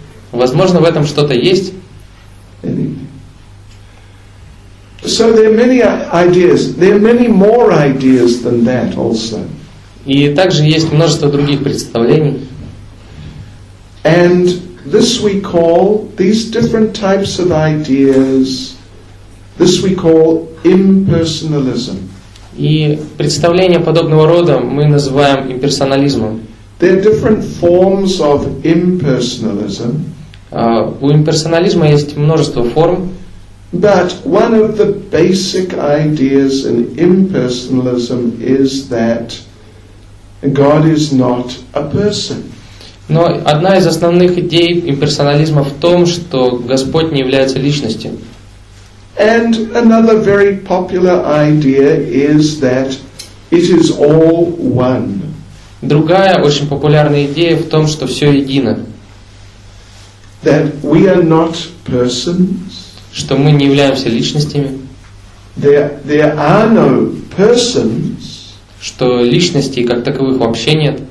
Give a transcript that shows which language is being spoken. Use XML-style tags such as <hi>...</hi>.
<ru>Возможно, в этом что-то есть.</ru> <en>So there are many ideas. There are many more ideas than that also.</en> <ru>И также есть множество других представлений.</ru> <en>And this we call these different types of ideas. This we call impersonalism.</en> <ru>И представления подобного рода мы называем имперсонализмом.</ru> <en>There are different forms of impersonalism.</en> <ru>У имперсонализма есть множество форм.</ru> <en>But one of the basic ideas in impersonalism is that God is not a person.</en> <ru>Но одна из основных идей имперсонализма в том, что Господь не является личностью.</ru> <en>And another very popular idea is that it is all one.</en> <ru>Другая очень популярная идея в том, что все едино.</ru> <en>That we are not persons.</en> <ru>что мы не являемся личностями,</ru> <en>there are no persons,</en> <ru>что личностей как таковых вообще нет,</ru>